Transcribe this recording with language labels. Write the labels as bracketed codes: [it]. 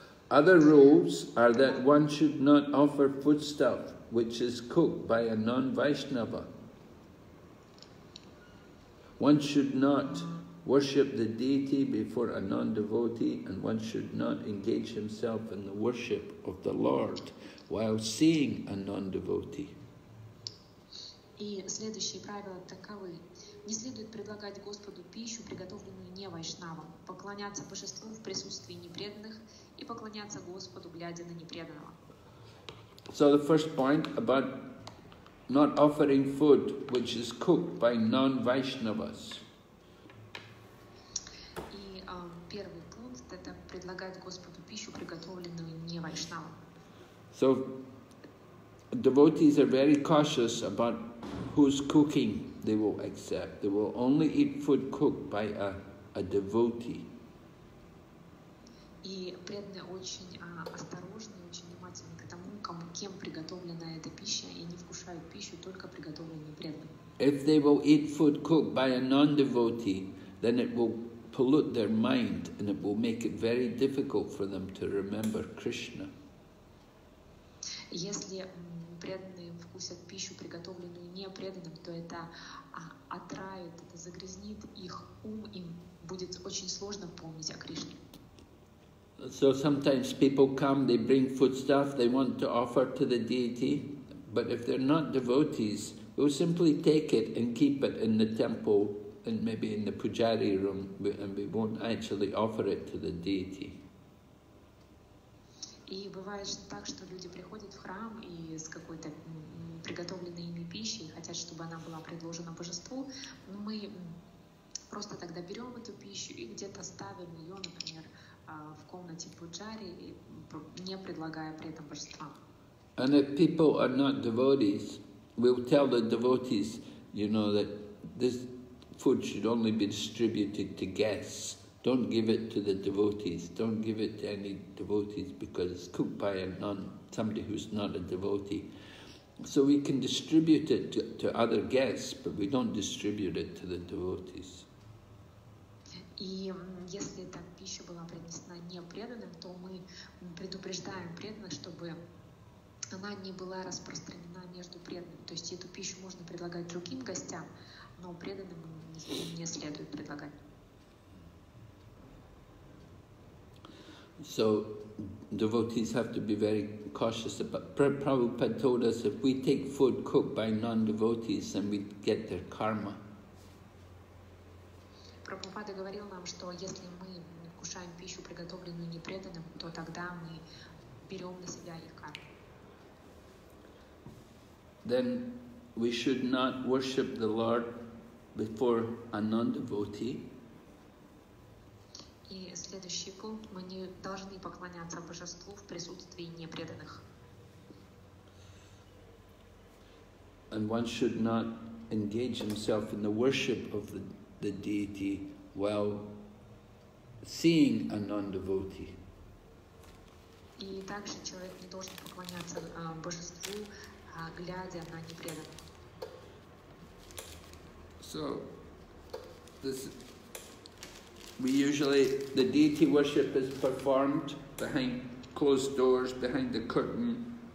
[en] Other rules are that one should not offer foodstuff which is cooked by a non-Vaishnava. One should not worship the deity before a non-devotee, and one should not engage himself in the worship of the Lord while seeing a non-devotee. [ru] И следующие правила таковы. Не следует предлагать Господу пищу, приготовленную не вайшнавам, поклоняться божеству в присутствии непреданных и поклоняться Господу, глядя на непреданного. [en] So the first point about not offering food which is cooked by non-Vaishnavas. [ru] И первый пункт – это предлагать Господу пищу, приготовленную не вайшнавам. [en] So devotees are very cautious about who's cooking. They will accept. They will only eat food cooked by a devotee. [ru] И преданные очень осторожны, очень внимательны к тому, кем приготовлена эта пища, и не вкушают пищу только приготовленную преданным. [en] If they will eat food cooked by a non-devotee, then it will pollute their mind, and it will make it very difficult for them to remember Krishna. [ru] Если преданные вкусят пищу, приготовленную не преданным, то это отравит, это загрязнит их ум, им будет очень сложно помнить о Кришне. [en] So sometimes people come, they bring foodstuff, they want to offer to the deity, but if they're not devotees, they'll simply take it and keep it in the temple, and maybe in the pujari room, and we won't actually offer it to the deity. [ru] И бывает так, что люди приходят в храм и с какой-то приготовленной ими пищей хотят, чтобы она была предложена божеству. Мы просто тогда берем эту пищу и где-то ставим ее, например, в комнате пуджари, не предлагая при этом божества. [en] And if people are not devotees, we'll tell the devotees, you know, that this food should only be distributed to guests. Don't give it to the devotees. Don't give it to any devotees because it's cooked by somebody who's not a devotee. So we can distribute it to other guests, but we don't distribute it to the devotees. [ru] И если эта пища была принесена непреданным, то мы предупреждаем преданных, чтобы она не была распространена между преданными. То есть эту пищу можно предлагать другим гостям, но преданным не следует предлагать. [en] So devotees have to be very cautious about. Prabhupada told us if we take food cooked by non-devotees, then we get their karma. [ru] Прабхупада говорил нам, что если мы кушаем пищу, приготовленную непреданным, то тогда мы берем на себя их карму. [en] Then we should not worship the Lord before a non-devotee. [ru] И следующий пункт – мы не должны поклоняться божеству в присутствии непреданных. [en] And one should not engage himself in the worship of the deity while seeing a non-devotee. [ru] И также человек не должен поклоняться божеству, глядя на непреданных. [en] So, this. We usually, the deity worship is performed behind closed doors, behind the curtain.